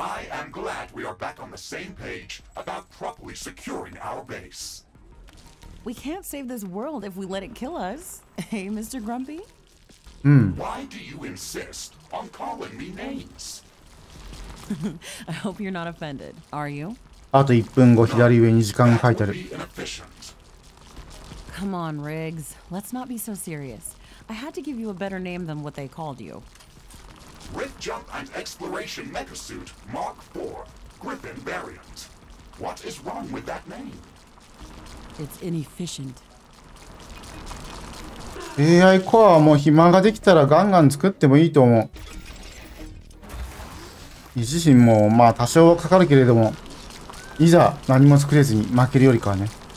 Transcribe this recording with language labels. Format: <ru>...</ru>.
<en>I am glad we are back on the same page about properly securing our base. We can't save this world if we let it kill us. Hey, Mr. Grumpy? Hmm. Why do you insist on calling me names? I hope you're not offended, are you?</en> <ja>あと1分後、左上に時間が書いてある。</ja> <en>Come on, Riggs. Let's not be so serious. I had to give you a better name than what they called you. Rig Jump and Exploration Megasuit Mark IV Griffin Variant. What is wrong with that name? It's inefficient.</en> <ja>AI コアはもう暇ができたらガンガン作ってもいいと思う。維持費もまあ多少はかかるけれども、いざ何も作れずに負けるよりかはね。</ja>